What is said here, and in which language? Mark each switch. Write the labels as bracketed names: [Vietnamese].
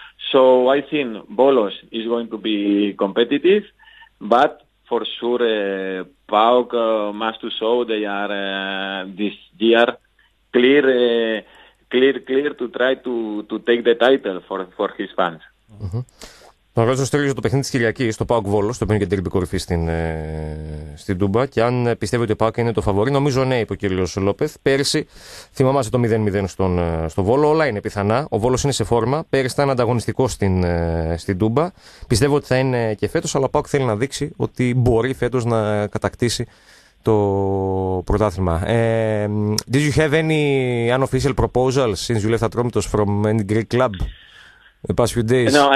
[English] So I think Bolos is going to be competitive, but for sure PAOK must to show they are this year clear to try to take the title for his fans. Mm-hmm. [Greek] Να ρωτήσω στέλνει το παιχνίδι της Κυριακής στο PAOK Βόλος, το οποίο είναι και ντέρμπι κορυφή στην Τούμπα, και αν πιστεύει ότι ο PAOK είναι το φαβορί. Νομίζω ναι, είπε ο κ. Λόπεθ. Πέρσι θυμάμαστε το 0-0 στο Βόλο. Όλα είναι πιθανά. Ο Βόλος είναι σε φόρμα. Πέρσι ήταν ανταγωνιστικό στην Τούμπα. Πιστεύω ότι θα είναι και φέτος, αλλά ο PAOK θέλει να δείξει ότι μπορεί φέτος να κατακτήσει το πρωτάθλημα. [English] Did you have any unofficial proposals since you left Atromitos from any Greek club the past few days?